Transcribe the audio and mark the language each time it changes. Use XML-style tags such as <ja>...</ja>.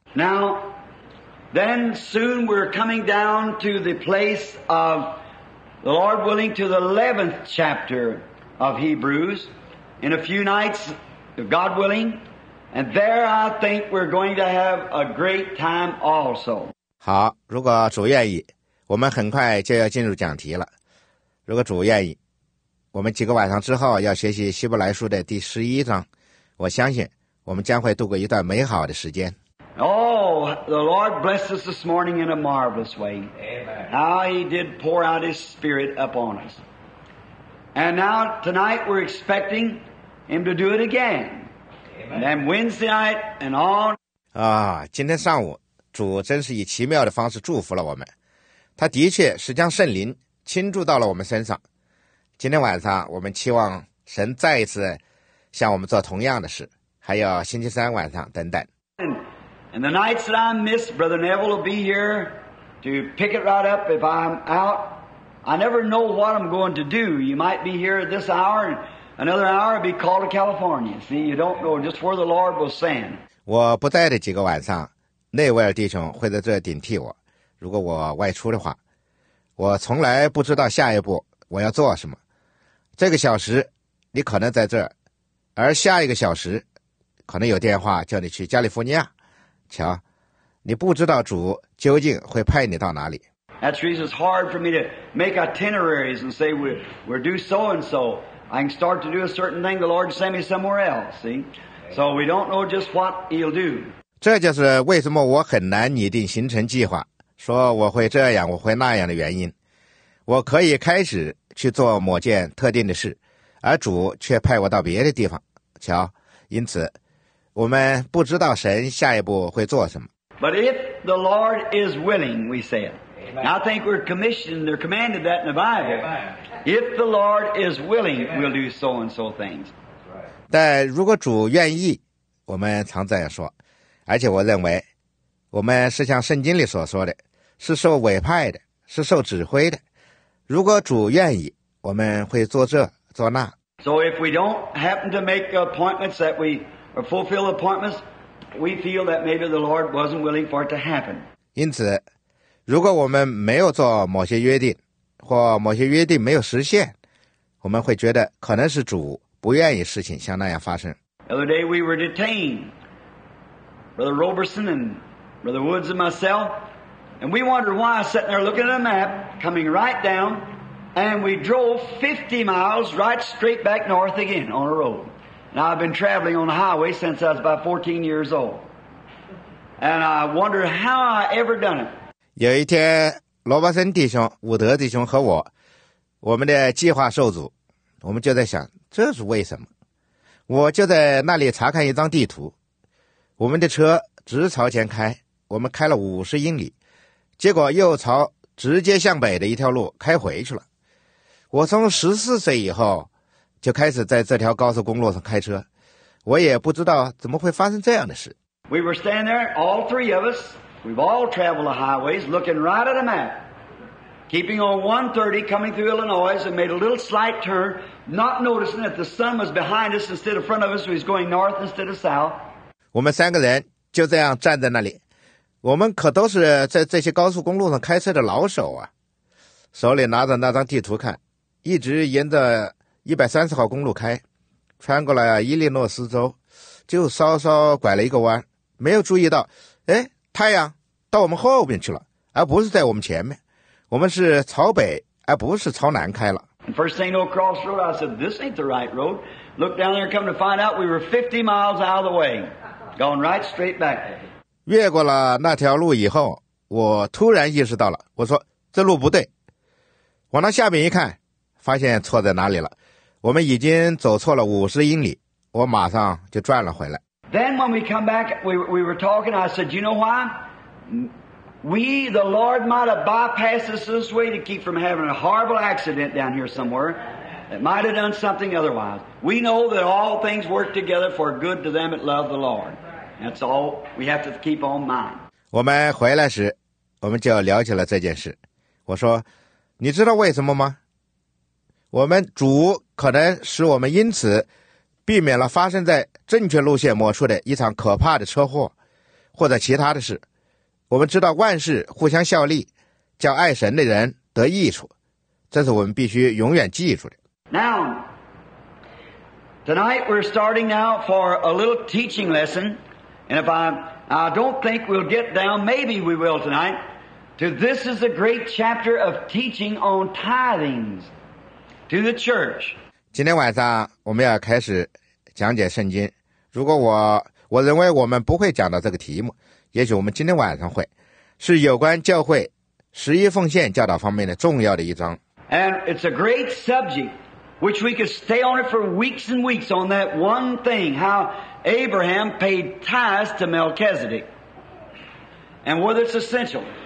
<en>Now,Then soon we're coming down to the place of, the Lord willing, to the 11th chapter of Hebrews in a few nights, God willing. And there I think we're going to have a great time also.</en> <zh>好，如果主愿意，我们很快就要进入讲题了。如果主愿意，我们几个晚上之后要学习希伯来书的第11章，我相信我们将会度过一段美好的时间。</zh> <en>Oh, the Lord blessed us this morning in a marvelous way. Amen. How he did pour out his spirit upon us. And now tonight we're expecting him to do it again. Amen. And Wednesday night and on.</en> <zh>今天上午主真是以奇妙的方式祝福了我们。他的确是将圣灵倾注到了我们身上。今天晚上我们期望神再一次向我们做同样的事，还有星期三晚上等等。</zh> <en>And the nights that I miss, Brother Neville will be here to pick it right up if I'm out. I never know what I'm going to do. You might be here this hour, and another hour I'll be called to California. See, you don't know just where the Lord will send.</en> <zh>我不在的几个晚上，内维尔弟兄会在这顶替我。如果我外出的话，我从来不知道下一步我要做什么。这个小时，你可能在这儿，而下一个小时，可能有电话叫你去加利福尼亚。瞧，你不知道主究竟会派你到哪里。</zh> <en>That's reason it's hard for me to make itineraries and say we'll do so and so. I can start to do a certain thing. The Lord sent me somewhere else. See, so we don't know just what He'll do.</en> <zh>这就是为什么我很难拟定行程计划，说我会这样，我会那样的原因。我可以开始去做某件特定的事，而主却派我到别的地方。瞧，因此。我们不知道神下一步会做什么。</zh> <en>But if the Lord is willing, we said. I think we're commissioned, they're commanded that in the Bible. Amen. If the Lord is willing, we'll do so and so things. Right.</en> <zh>但如果主愿意，我们常这样说。而且我认为，我们是像圣经里所说的，是受委派的，是受指挥的。如果主愿意，我们会做这做那。</zh> <en>So if we don't happen to make appointments that we or fulfill appointments, we feel that maybe the Lord wasn't willing for it to happen.</en> <zh>因此，如果我们没有做某些约定，或某些约定没有实现，我们会觉得可能是主不愿意事情像那样发生。</zh> <en>The other day we were detained, Brother Roberson and Brother Woods and myself, and we wondered why, sitting there looking at a map, coming right down, and we drove 50 miles right straight back north again on a road. Now, I've been traveling on the highway since I was about 14 years old. And I wonder how I ever done it.</en> <zh>有一天，罗伯森弟兄、伍德弟兄和我，我们的计划受阻，我们就在想，这是为什么？我就在那里查看一张地图，我们的车直朝前开，我们开了50英里，结果又朝直接向北的一条路开回去了。我从14岁以后就开始在这条高速公路上开车，我也不知道怎么会发生这样的事。</zh> <en>We were standing there, all three of us. We've all traveled the highways, looking right at a map, keeping on 130, coming through Illinois, and made a little slight turn, not noticing that the sun was behind us instead of front of us. We was going north instead of south.</en> <zh>我们三个人就这样站在那里。我们可都是在这些高速公路上开车的老手啊，手里拿着那张地图看，一直沿着130号公路开，穿过了伊利诺斯州，就稍稍拐了一个弯，没有注意到，哎，太阳到我们后面去了，而不是在我们前面。我们是朝北，而不是朝南开了。</zh> <en>First thing no cross road, I said, this ain't the right road. Look down there, come to find out, we were 50 miles out of the way, going right straight back.</en> <zh>越过了那条路以后，我突然意识到了，我说这路不对。往那下面一看，发现错在哪里了。我们已经走错了50英里，我马上就转了回来。</zh> <en>Then when we come back, we were talking. I said, you know why? We, the Lord, might have bypassed us this way to keep from having a horrible accident down here somewhere. That might have done something otherwise. We know that all things work together for good to them that love the Lord. That's all we have to keep on mind.</en> <zh>我们回来时，我们就了解了这件事。我说，你知道为什么吗？我们主可能使我们因此避免了发生在正确路线某处的一场可怕的车祸或者其他的事。我们知道万事互相效力，叫爱神的人得益处，这是我们必须永远记住的。</zh> <en>Now tonight we're starting now for a little teaching lesson, and if I don't think we'll get down, maybe we will tonight, to this is a great chapter of teaching on tithings. To the church.</en> <zh>今天晚上我们要开始讲解圣经。如果我认为我们不会讲到这个题目，也许我们今天晚上会，是有关教会十一奉献教导方面的重要的一章。</zh> <en>And it's a great subject, which we could stay on it for weeks and weeks on that one thing, how Abraham paid tithes to Melchizedek, and whether it's essential.</en>